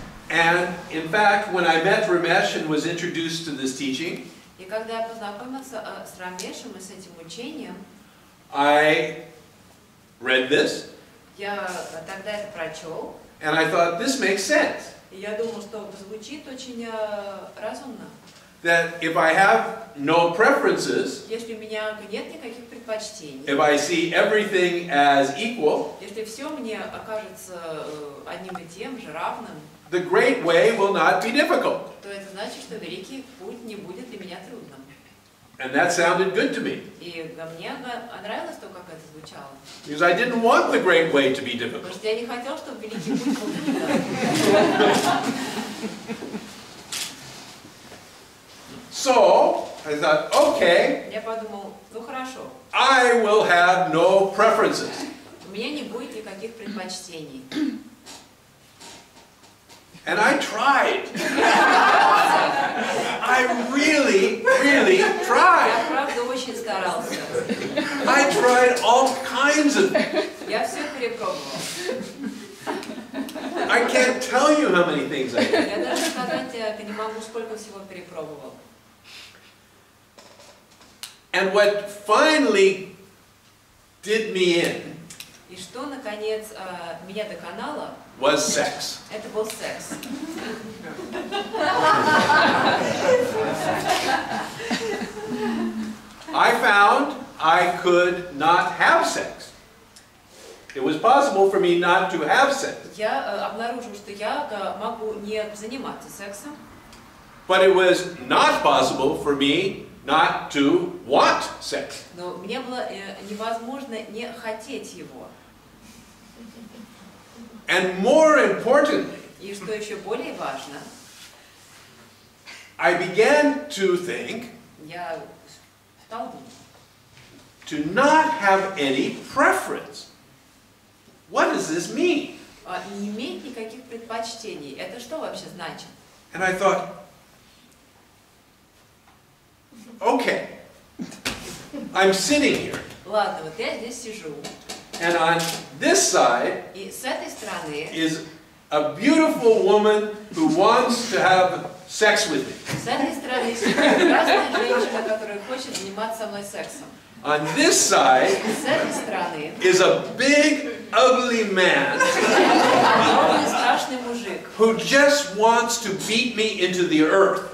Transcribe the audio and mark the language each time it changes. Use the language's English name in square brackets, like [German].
[English] And in fact, when I met Ramesh and was introduced to this teaching, [Russian] и когда я познакомился с Рамешем и с этим учением, [English] I read this. [Russian] Я тогда это прочел. [English] And I thought, this makes sense. [Russian] И я думал, что звучит очень разумно. [English] That if I have no preferences, [Russian] если у меня нет никаких предпочтений, [English] if I see everything as equal, [Russian] если все мне окажется одним и тем же, равным, [English] the great way will not be difficult. [Russian] То это значит, что великий путь не будет для меня трудным. [English] And that sounded good to me. [Russian] И мне нравилось то, как это звучало. [English] Because I didn't want the great way to be difficult. [Russian] Потому что я не хотел, чтобы великий путь был трудным. [English] So, I thought, okay. [Russian] Я подумал, ну хорошо. [English] I will have no preferences. [Russian] У меня не будет никаких предпочтений. [English] And I tried. I really, really tried. [Russian] Я правда очень старался. [English] I tried all kinds of. [Russian] Я все перепробовал. [English] I can't tell you how many things I did. [Russian] Я даже сказать тебе не могу, сколько всего перепробовал. [English] And what finally did me in? [Russian] И что наконец меня доконало? [English] Was sex. [Russian] Это был секс. [English] I found I could not have sex. It was possible for me not to have sex. [Russian] Я обнаружил, что я могу не заниматься сексом. [English] But it was not possible for me not to want sex. [Russian] Но мне было невозможно не хотеть его. [English] And more importantly, [Russian] и что еще более важно, [English] I began to think, [Russian] я стал думать, [English] to not have any preference. What does this mean? [Russian] Не иметь никаких предпочтений. Это что вообще значит? [English] And I thought, okay, I'm sitting here. [Russian] Ладно, вот я здесь сижу. [English] And on this side is a beautiful woman who wants to have sex with me. [Russian] С этой стороны сидит прекрасная женщина, которая хочет заниматься со мной сексом. [English] On this side [Russian] с этой стороны [English] is a big ugly man. [Russian] Огромный страшный мужик. [English] Who just wants to beat me into the earth.